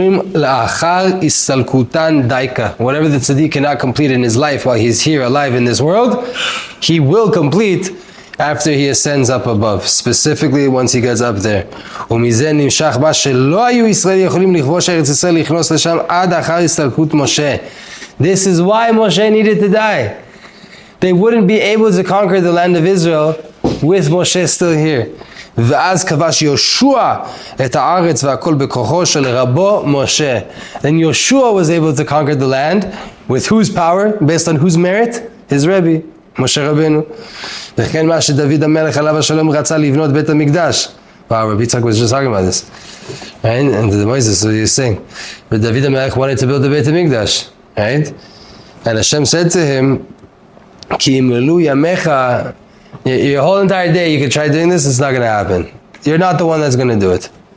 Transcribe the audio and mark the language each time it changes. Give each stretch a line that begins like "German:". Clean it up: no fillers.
English: Whatever the tzaddik cannot complete in his life while he's here alive in this world, he will complete after he ascends up above, specifically once he gets up there.
Hebrew: ומזה נמשך מה שלא היו ישראל יכולים לכבוש ארץ ישראל לכנוס לשם עד אחר הסתלקות משה.
English: This is why Moshe needed to die. They wouldn't be able to conquer the land of Israel with Moshe still here.
Hebrew: ואז כבש יהושע את הארץ והכל בכוחו של רבו משה.
English: Then Yeshua was able to conquer the land with whose power, based on whose merit? His Rebbe, Moshe Rabbeinu.
Hebrew: וכן מה שדוד המלך עליו השלום רצה לבנות בית המקדש.
English: Wow, Rabbi Yitzhak was just talking about this. And the Moses, what are you saying? But David HaMelech wanted to build the Beit HaMikdash. Right? And Hashem said to him, Ki imlu yamecha, your whole entire day you could try doing this, it's not going to happen. You're not the one that's going to do it.